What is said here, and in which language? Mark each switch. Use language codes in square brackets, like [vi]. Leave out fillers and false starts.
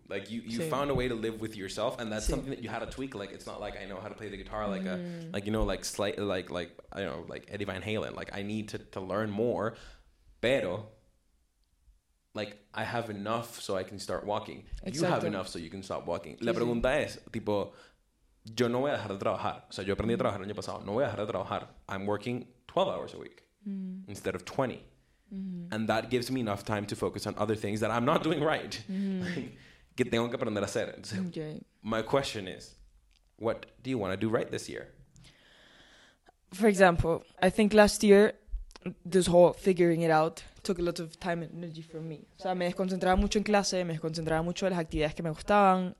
[en] Like, you found a way to live with yourself, and that's something that you had to tweak. Like, it's not like I know how to play the guitar like like Eddie Van Halen. Like, I need to learn more. [es] Pero, [en] like, I have enough so I can start walking. [es] Exacto. [en] You have enough so you can start walking. [es] La pregunta es, tipo, yo no voy a dejar de trabajar. O sea, yo aprendí a trabajar el año pasado. No voy a dejar de trabajar. [en] I'm working 12 hours a week instead of 20. Mm-hmm. And that gives me enough time to focus on other things that I'm not doing right. [es] Que tengo que aprender a hacer. [en] Okay. My question is, what do you want to do right this year? For example, I think last year, this whole figuring it out took a lot of time and energy from me. [es] O sea, me desconcentraba mucho en clase, me desconcentraba mucho en las actividades que me gustaban.